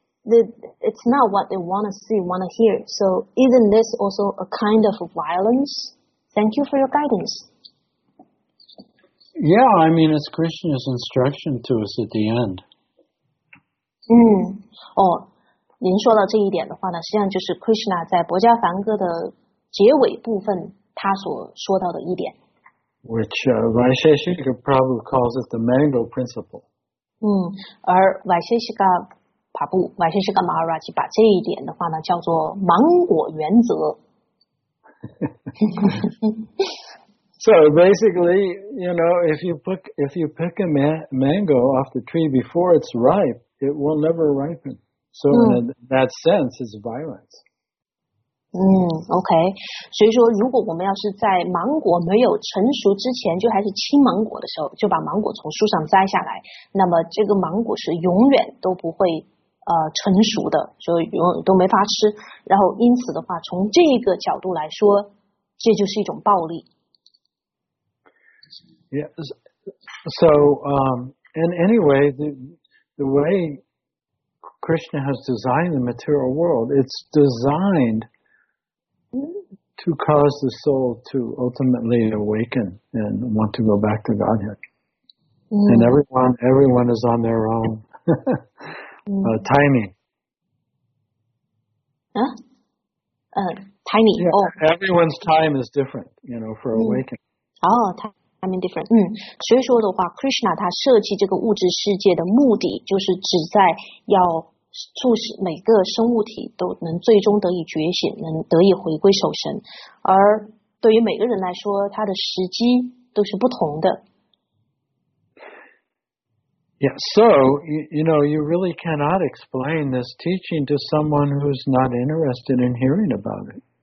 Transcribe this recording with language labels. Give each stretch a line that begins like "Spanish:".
English: It's not what they want to see, want to hear. So isn't this also a kind of violence? Thank you for your guidance. Yeah, I mean, it's Krishna's instruction to us at the end.
Chinese: 嗯，哦，您说到这一点的话呢，实际上就是 Krishna 在《薄伽梵歌》的结尾部分他所说到的一点。
English: Which Vaisheshika Prabhu calls it the mango principle.
Chinese: 嗯，而 Vaisheshika Prabhu Vaisheshika Maharaj 把这一点的话呢叫做芒果原则。
English: So basically, you know, if you pick a mango off the tree before it's ripe, it will never ripen. So in that sense, it's violence. 嗯 ，OK。
Chinese: 所以说，如果我们要是在芒果没有成熟之前，就还是青芒果的时候，就把芒果从树上摘下来，那么这个芒果是永远都不会。纯熟的，所以都没法吃。然后因此的话，从这个角度来说，这就是一种暴力。
English: Yes. So, in any way, the way Krishna has designed the material world, it's designed to cause the soul to ultimately awaken and want to go back to Godhead. And everyone is on their own. tiny. Tiny. Yeah, oh. Everyone's time is different, you know, for awakening. Oh, time is different.
Chinese: 所以说的话 ，Krishna 他设计这个物质世界的目的，就是旨在要促使每个生物体都能最终得以觉醒，能得以回归守神。而对于每个人来说，他的时机都是不同的。
English: Yeah, so, you know, you really cannot explain this teaching to someone who's not interested in hearing about it.